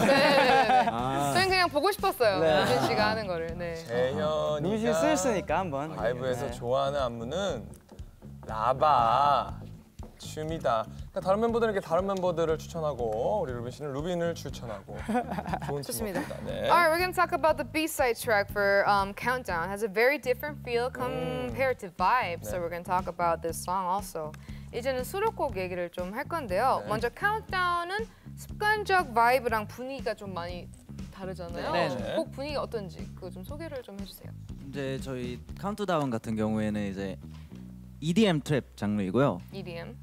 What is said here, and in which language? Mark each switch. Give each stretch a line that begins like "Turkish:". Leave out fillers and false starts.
Korean: 네, 네, 네. 아. 저는 그냥 보고 싶었어요. 네. 루빈 씨가 하는 거를. 네. 재현이가 루빈 씨 쓰였으니까 한번. 라이브에서 네. 좋아하는 안무는 라바 춤이다. 그러니까 다른 멤버들에게 다른 멤버들을 추천하고 우리 루빈 씨는 루빈을 추천하고. 좋은 좋습니다. 네.
English: Alright, we're gonna talk about the B-side track for Countdown. It has a very different feel compared to Vibe. 네. So we're gonna talk about this song also.
Korean: 이제는 수록곡 얘기를 좀 할 건데요. 네. 먼저 카운트다운은 습관적 바이브랑 분위기가 좀 많이 다르잖아요. 네. 곡 분위기가 어떤지 그거 좀 소개를 좀 해주세요. 이제 저희 카운트다운 같은 경우에는 이제 EDM 트랩 장르이고요. EDM.